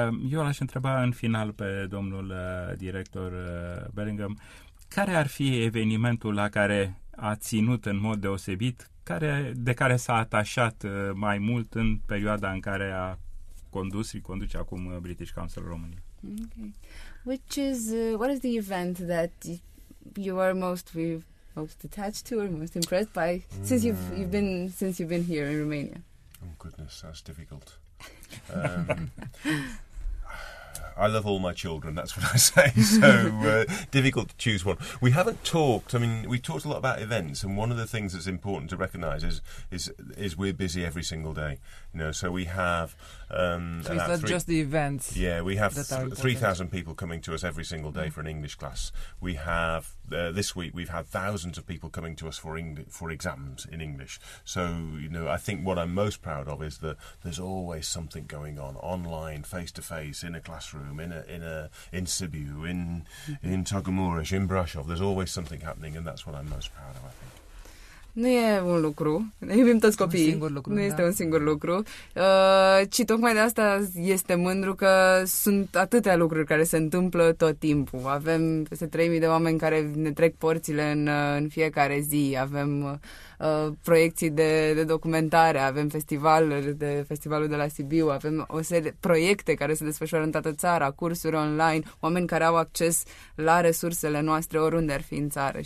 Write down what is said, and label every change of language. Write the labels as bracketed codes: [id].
[ro] Eu l-aș întreba în final pe domnul director Bellingham, care ar fi evenimentul la care a ținut în mod deosebit, de care s-a atașat mai mult în perioada în care a condus și conduce acum British Council România? [en] Okay. What is the event that you are most attached to or most impressed by since you've been here in Romania? Oh goodness, that's difficult. I love all my children, that's what I say, so difficult to choose one. We haven't talked, I mean, we talked a lot about events, and one of the things that's important to recognise is we're busy every single day. You know, so we have... just the events. Yeah, we have 3,000 people coming to us every single day for an English class. We have, this week, we've had thousands of people coming to us for exams in English. So, you know, I think what I'm most proud of is that there's always something going on, online, face-to-face, in a classroom, in Sibiu, in Togomoreș, in Brașov. There's always something happening, and that's what I'm most proud of, I think. [ro] Nu e un lucru, ne iubim toți copiii, nu este un singur lucru, ci tocmai de asta este mândru că sunt atâtea lucruri care se întâmplă tot timpul. Avem peste 3.000 de oameni care ne trec porțile în fiecare zi, avem proiecții de documentare, avem festivalul de la Sibiu, avem o serie de proiecte care se desfășoară în toată țara, cursuri online, oameni care au acces la resursele noastre oriunde ar fi în țară.